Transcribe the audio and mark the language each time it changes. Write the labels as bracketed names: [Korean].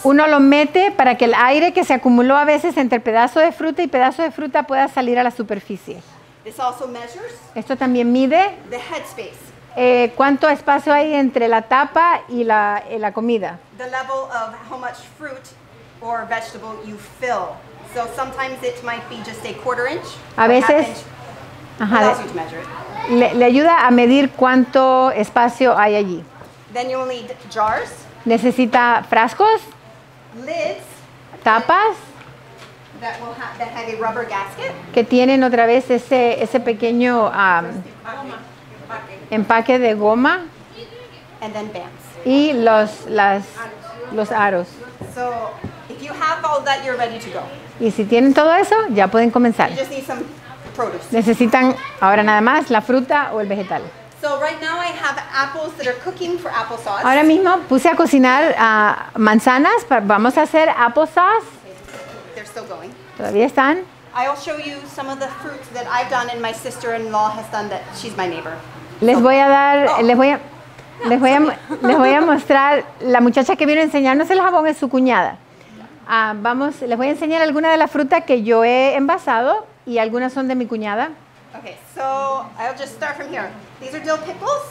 [Spanish] Uno lo mete para que el aire que se acumuló a veces entre pedazo de fruta y pedazo de fruta pueda salir a la superficie. [English] This also measures. [Spanish] Esto también mide. [English] The head space. [Spanish] ¿Cuánto espacio hay entre la tapa y la comida? [English] The level of how much fruit or vegetable you fill. So sometimes it might be just a quarter inch. [Spanish] A veces, [English] allows you to measure it. [Spanish] Le ayuda a medir cuánto espacio hay allí. [English] Then you will need jars. [Spanish] Necesita frascos. [English] Lids. [Spanish] Tapas. [English] that have a rubber gasket. [Spanish] Que tienen otra vez ese pequeño empaque de goma. [English] And then bands. [Spanish] Y los aros. [English] So if you have all that, you're ready to go. [Spanish] Y si tienen todo eso, ya pueden comenzar. [English] You just need some produce. [Spanish] Necesitan ahora nada más la fruta o el vegetal. [English] So right now I have apples that are cooking for applesauce. [Spanish] Ahora mismo puse a cocinar manzanas. Vamos a hacer applesauce. [English] Okay. They're still going. [Spanish] Todavía están. [English] I'll show you some of the fruits that I've done and my sister-in-law has done that she's my neighbor. [Spanish] Les voy a mostrar, la muchacha que vino a enseñarnos el jabón es su cuñada. Les voy a enseñar alguna de las frutas que yo he envasado y algunas son de mi cuñada. [English] Okay, so I'll just start from here. These are dill pickles.